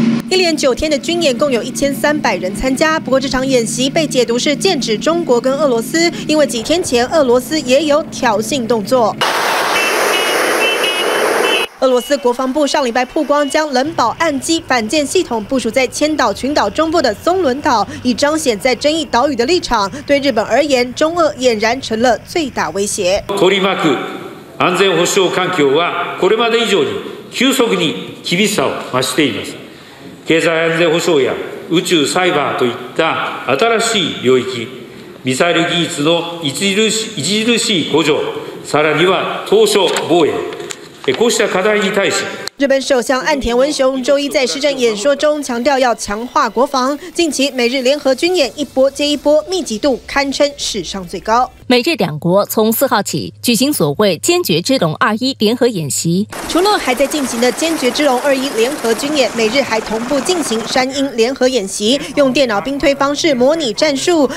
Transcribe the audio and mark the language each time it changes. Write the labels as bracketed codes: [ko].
[zh] 一连9天的军演，共有1300人参加。不过这场演习被解读是剑指中国跟俄罗斯，因为几天前俄罗斯也有挑衅动作。俄罗斯国防部上礼拜曝光，将冷堡岸基反舰系统部署在千岛群岛中部的松伦岛，以彰显在争议岛屿的立场。对日本而言，中俄俨然成了最大威胁。 [ja] 取り巻く安全保障環境はこれまで以上に急速に厳しさを増しています。経済安全保障や宇宙サイバーといった新しい領域、ミサイル技術の著しい向上、さらには島嶼防衛。こうした課題に対し、 [zh] 日本首相岸田文雄周一在施政演说中强调要强化国防。近期美日联合军演一波接一波，密集度堪称史上最高。美日两国从四号起举行所谓坚决之龙二一联合演习，除了还在进行的坚决之龙二一联合军演，美日还同步进行山鹰联合演习，用电脑兵推方式模拟战术。